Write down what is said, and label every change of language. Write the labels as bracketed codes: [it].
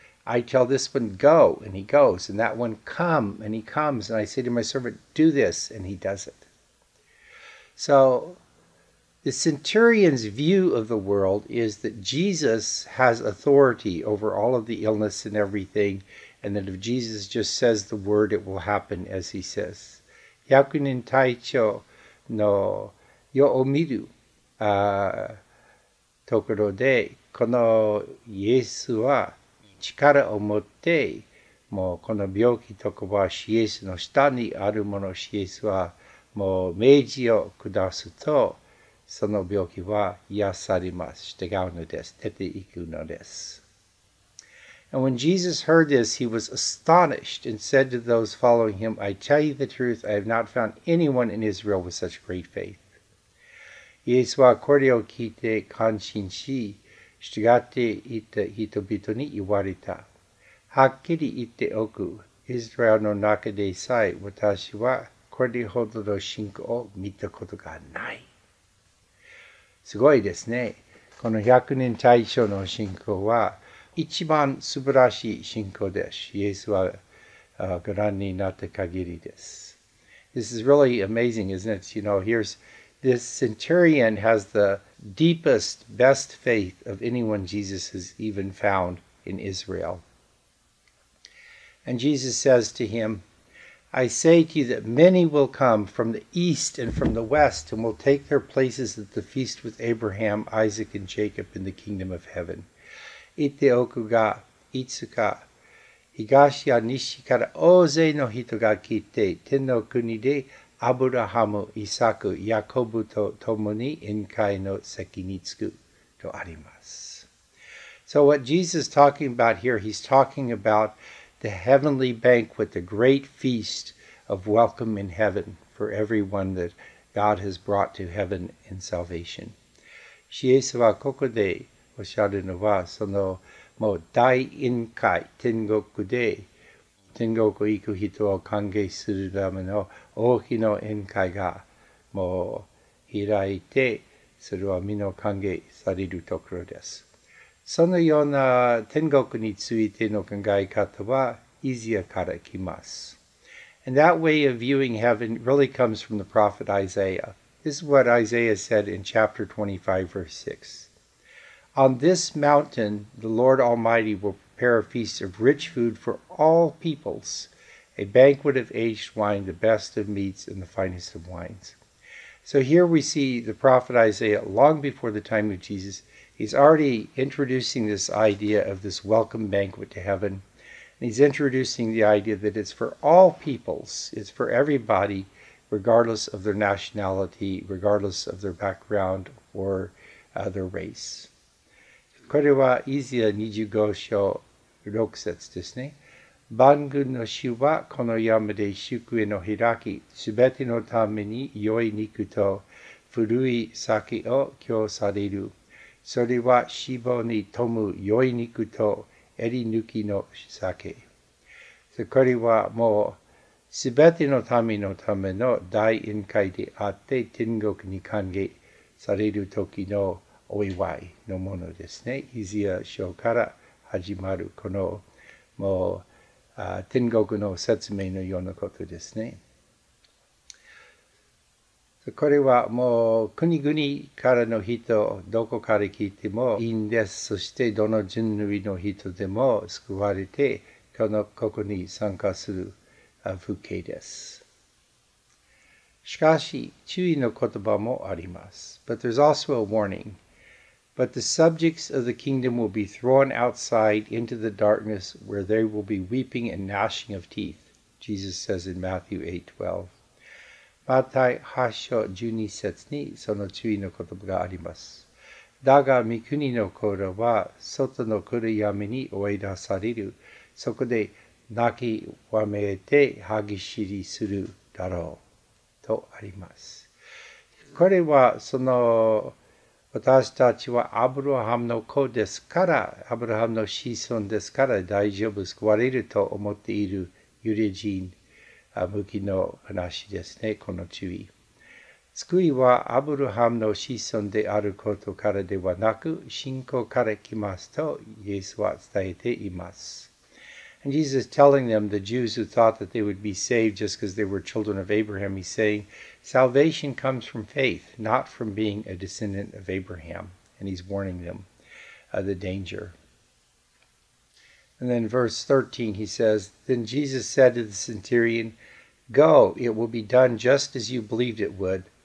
[en] I tell this one, go, and he goes, and that one, come, and he comes, and I say to my servant, do this, and he does it. So the centurion's view of the world is that Jesus has authority over all of the illness and everything, and that if Jesus just says the word, it will happen as he says. [ja] 百人隊長の世を見るところで、このイエスは力を持って、もうこの病気とかはイエスの下にあるもの、イエスはもう命じを下すと、その病気は癒されます。従うのです。出ていくのです。 [en] And when Jesus heard this, he was astonished and said to those following him, I tell you the truth, I have not found anyone in Israel with such great faith. [ja] イエスはこれを聞いて感心し、従っていた人々に言われた。はっきり言っておく、イスラエルの中でさえ、私はこれほどの信仰を見たことがない。すごいですね。この百人隊長の信仰は、一番素晴らしい信仰です。イエスはご覧になった限りです。 [en] This is really amazing, isn't it? You know, here's this centurion has the deepest, best faith of anyone Jesus has even found in Israel. And Jesus says to him, I say to you that many will come from the east and from the west and will take their places at the feast with Abraham, Isaac, and Jacob in the kingdom of heaven. [ja] 言っておくが、いつか東や西から大勢の人が来て、天の国でアブラハム、イサク、ヤコブと共に宴会の席に着くとあります。 [en] So what Jesus is talking about here, he's talking about the heavenly banquet, the great feast of welcome in heaven for everyone that God has brought to heaven in salvation. [ja] イエスはここでおっしゃるのは、そのもう大宴会、天国で天国へ行く人を歓迎するための大きな宴会がもう開いて、それは皆歓迎されるところです。そのような天国についての考え方は、イザヤから来ます。 [en] And that way of viewing heaven really comes from the prophet Isaiah. This is what Isaiah said in chapter 25, verse 6. On this mountain, the Lord Almighty will prepare a feast of rich food for all peoples, a banquet of aged wine, the best of meats, and the finest of wines. So here we see the prophet Isaiah, long before the time of Jesus, he's already introducing this idea of this welcome banquet to heaven. And he's introducing the idea that it's for all peoples, it's for everybody, regardless of their nationality, regardless of their background or their race. [ja] これはイザヤ25章 6節ですね。万軍の主はこの山で祝宴の開き、すべてのために良い肉と古い酒を供される。それは脂肪に富む良い肉と襟抜きの酒。これはもうすべての民のための大宴会であって、天国に歓迎される時のお祝いのものですね。イザヤ書から始まるこのもう天国の説明のようなことですね。これはもう国々からの人、どこから聞いてもいいんです。そしてどの人類の人でも救われて、ここに参加する風景です。しかし、注意の言葉もあります。 [en] But there's also a warning. But the subjects of the kingdom will be thrown outside into the darkness where they will be weeping and gnashing of teeth. Jesus says in Matthew 8:12. [ja] マタイ8章12節にその注意の言葉があります。だが御国の子らは外の暗闇に追い出される。そこで泣きわめいて激しりするだろう。とあります。これはその私たちはアブラハムの子ですから、アブラハムの子孫ですから大丈夫、救われると思っているユダヤ人。向きの話ですね、この注意。救いはアブラハムの子孫であることからではなく、信仰から来ますと、イエスは伝えています。 [en] And Jesus is telling them, the Jews who thought that they would be saved just because they were children of Abraham, he's saying, salvation comes from faith, not from being a descendant of Abraham. And he's warning them of the danger. And then verse 13, he says, Then Jesus said to the centurion, Go, it will be done just as you believed it would.